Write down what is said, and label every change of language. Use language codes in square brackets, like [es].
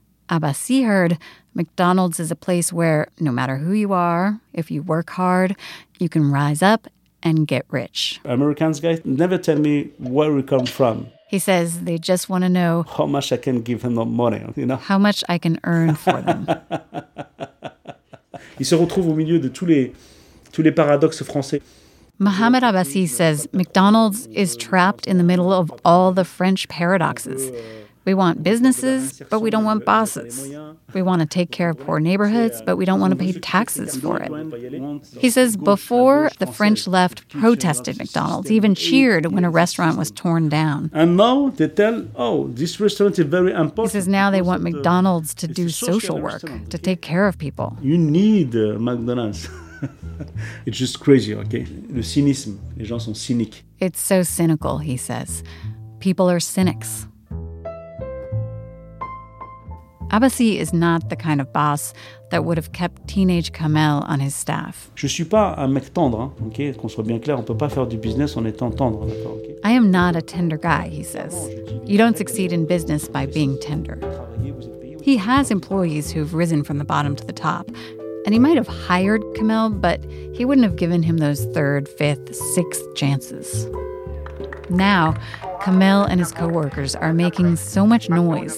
[en] Abbasi heard, McDonald's is a place where, no matter who you are, if you work hard, you can rise up and get rich. Americans, guys, never tell me where we come from. He says they just want to know how much I can give them the money, you know? How much I can earn for them. [fr] Il se retrouve au milieu de tous les paradoxes français. [en] Mohamed Abbasi says McDonald's is trapped in the middle of all the French paradoxes. We want businesses, but we don't want bosses. We want to take care of poor neighborhoods, but we don't want to pay taxes for it. He says before, the French left protested McDonald's, even cheered when a restaurant was torn down. And now they tell, oh, this restaurant is very important. He says now they want McDonald's to do social work, to take care of people. You need McDonald's. It's just crazy, okay? [fr] Le cynisme. Les gens sont cyniques. [en] It's so cynical, he says. People are cynics. Abbasi is not the kind of boss that would have kept teenage Kamel on his staff. [fr] Je suis pas un mec tendre, hein, okay? Qu'on soit bien clair, on peut pas faire du business en étant tendre, d'accord, okay? [en] I am not a tender guy, he says. You don't succeed in business by being tender. He has employees who've risen from the bottom to the top. And he might have hired Kamel, but he wouldn't have given him those third, fifth, sixth chances. Now, Kamel and his co-workers are making so much noise.